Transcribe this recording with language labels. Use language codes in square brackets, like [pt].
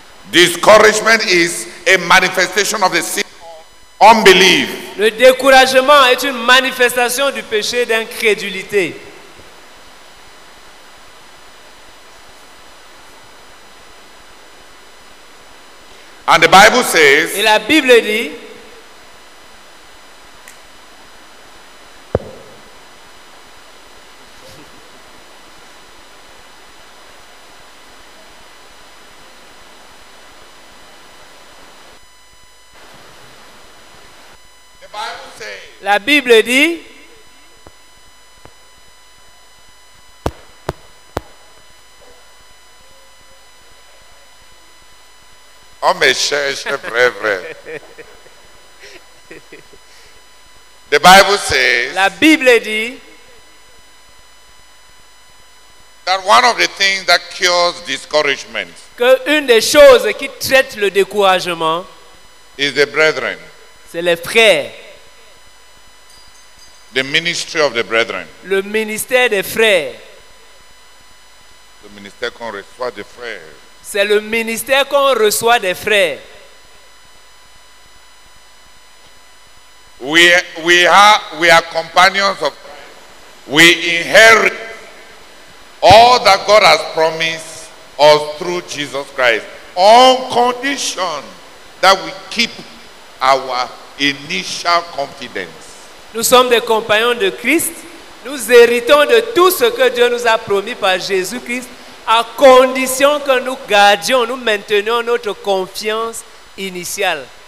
[en] Discouragement is a manifestation of the sin of unbelief. [fr] Le découragement est une manifestation du péché d'incrédulité. [en] And the Bible says, [fr] et la Bible dit, la Bible dit, on me cherche, vrai. [en] The Bible says, [fr] la Bible dit, [en] that one of the things that cures discouragement, [fr] que une des choses qui traite le découragement, [en] is the brethren, [fr] c'est les frères. [en] The ministry of the brethren. [fr] Le ministère des frères. Le ministère qu'on reçoit des frères. C'est le ministère qu'on reçoit des frères. [en] We are companions of Christ. We inherit all that God has promised us through Jesus Christ on condition that we keep our initial confidence. [fr] Nous sommes des compagnons de Christ. Nous héritons de tout ce que Dieu nous a promis par Jésus-Christ à condition que nous gardions, nous maintenions notre confiance initiale.